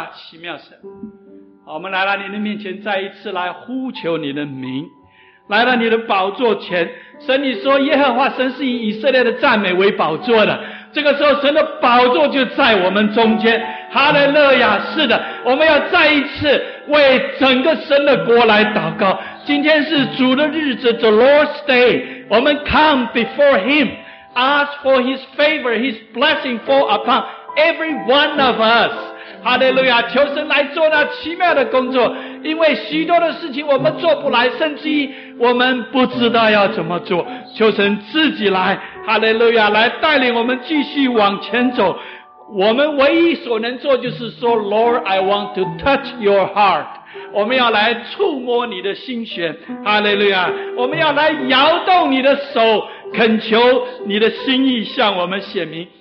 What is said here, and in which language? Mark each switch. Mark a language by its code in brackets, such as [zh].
[zh] 奇妙神。我们来到你的面前，再一次来呼求你的名，来到你的宝座前。神，你说耶和华神是以色列的赞美为宝座的，这个时候神的宝座就在我们中间。哈利路亚，是的，我们要再一次为整个神的国来祷告。今天是主的日子， [en] The Lord's Day， [zh] 我们 [en] come before him， ask for his favor， his blessing fall upon every one of us。 [zh] 哈利路亚，求神来做那奇妙的工作，因为许多的事情我们做不来，甚至于我们不知道要怎么做，求神自己来，哈利路亚，来带领我们继续往前走。我们唯一所能做就是说 [en] Lord I want to touch your heart， [zh] 我们要来触摸你的心弦，哈利路亚，我们要来摇动你的手，恳求你的心意向我们显明。